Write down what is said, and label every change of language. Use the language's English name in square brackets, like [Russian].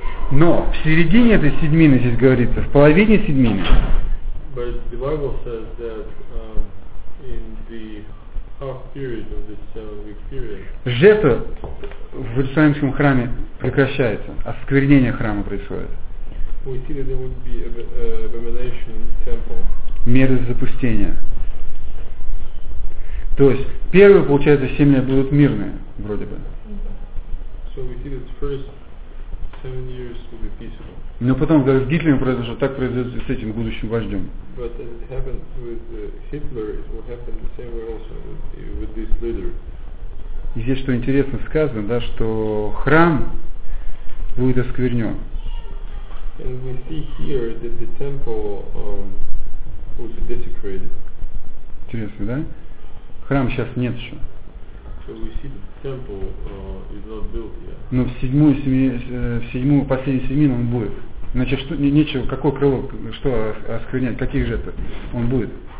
[Russian] Но в середине этой седьмины здесь говорится, в половине седьмины. [English] But the Bible says that in the half period of this 7-week period. [Russian] Жертва в Иерусалимском храме прекращается, осквернение храма происходит. [English] We see that there would be abomination in the temple. [Russian] Меры запустения. То есть первые, получается, 7 лет будут мирные, вроде бы. [English] So we see that the first 7 years will be peaceful. [Russian] Но потом, когда с Гитлером произошло, так произойдет и с этим будущим вождем. [English] But as it happened with Hitler, it will happen the same way also with this leader. [Russian] И здесь что интересно сказано, да, что храм будет осквернен. [English] And we see here that the temple will be desecrated. [Russian] Интересно, да? Храм сейчас нет еще. [English] So we see that the temple is not built yet. [Russian] Но в седьмую последнюю седьмину он будет. Значит, что нечего, какое крыло, что осквернять, каких же это он будет?